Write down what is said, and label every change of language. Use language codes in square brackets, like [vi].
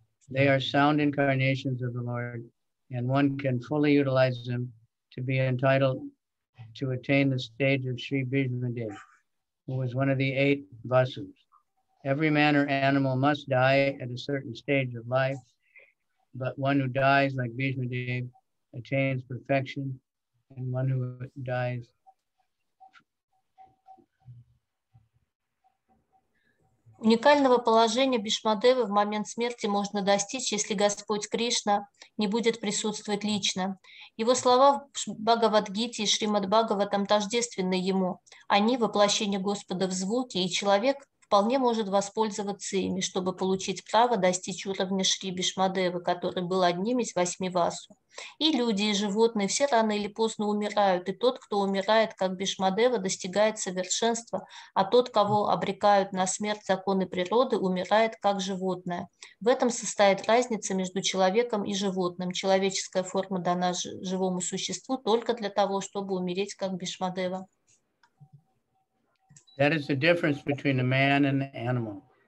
[en] They are sound incarnations of the Lord, and one can fully utilize them to be entitled to attain the stage of Sri Bhishmadev, who was one of the eight Vasus. Every man or animal must die at a certain stage of life, but one who dies like Bhishmadev attains perfection, and one who dies. [ru] Уникального положения Бишмадевы в момент смерти можно достичь, если Господь Кришна не будет присутствовать лично. Его слова в Бхагавадгите и Шримад Бхагаватам тождественны ему. Они – воплощение Господа в звуке, и человек вполне может воспользоваться ими, чтобы получить право достичь уровня Шри Бишмадевы, который был одним из восьми васу. И люди, и животные все рано или поздно умирают, и тот, кто умирает, как Бишмадева, достигает совершенства, а тот, кого обрекают на смерть законы природы, умирает, как животное. В этом состоит разница между человеком и животным. Человеческая форма дана живому существу только для того, чтобы умереть, как Бишмадева. [en] That is the difference between a man and the animal.